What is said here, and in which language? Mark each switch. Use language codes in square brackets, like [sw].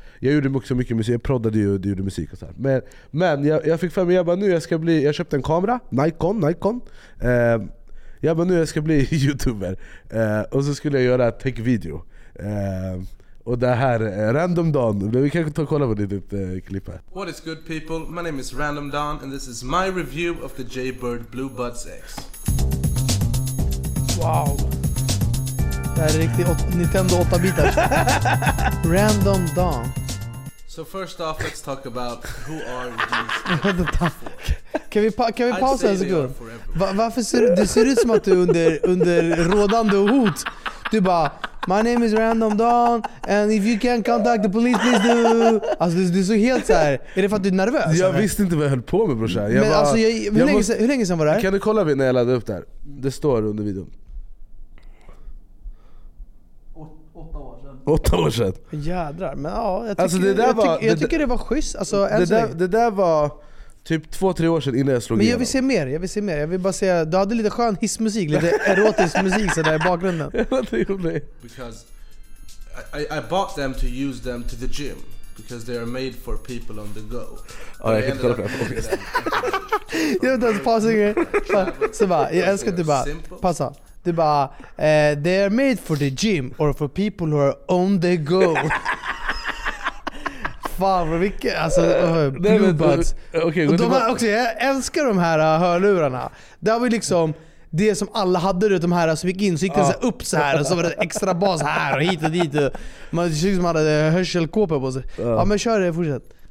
[sv] Jag gjorde också mycket musik. Jag proddade ju och gjorde musik och så här. Men jag fick för mig, jag köpte en kamera, Nikon. Jag bara, nu jag ska bli YouTuber. Och så skulle jag göra tech-video. Och det här Random Don. Vi kan ta och kolla på ditt klipp här. [en] What is good people? My name is Random Don and this is my review of the Jaybird Blue Buds X. Wow. [sv] Det här är riktigt Nintendo 8-bitar. Random Don. [en] So first off, let's talk about who are these. [sv] Kan vi pausa en sekund? Varför ser du ut som att du under rådande hot? Du bara, [en] My name is Random Don, and if you can contact the police, please do. [sv] Alltså du är så helt så här. Är det för att du är nervös? Jag visste inte vad jag höll på med, brorsan. Men bara, alltså, hur länge sedan var det här? Kan du kolla när jag laddade upp där? Det står under videon. 8 år sedan. Jädrar, men ja. Jag tycker det var schysst. Alltså, det där var typ 2-3 år sedan innan jag slog igenom. Men jag vill se mer. Jag vill bara säga, du hade lite skön hissmusik, lite erotisk musik så där i bakgrunden. [en] Because I bought them to use them to the gym because they are made for people on the go. [sv] Ja, jag kan kolla på det. Jag vet inte ens, pausa en grej. Så bara, jag älskar att du bara, passa. Du bara, [en] they are made for the gym or for people who are on the go. [sv] Fan, vilket, alltså, blue buds. Okay, jag älskar de här hörlurarna. Det var liksom det som alla hade runt de här, så gick in, så gick den så här upp så här, och så var det extra bas här och hit och dit. Man tyckte som att man hade hörselkåpor på sig. Ja, men kör det, fortsätt.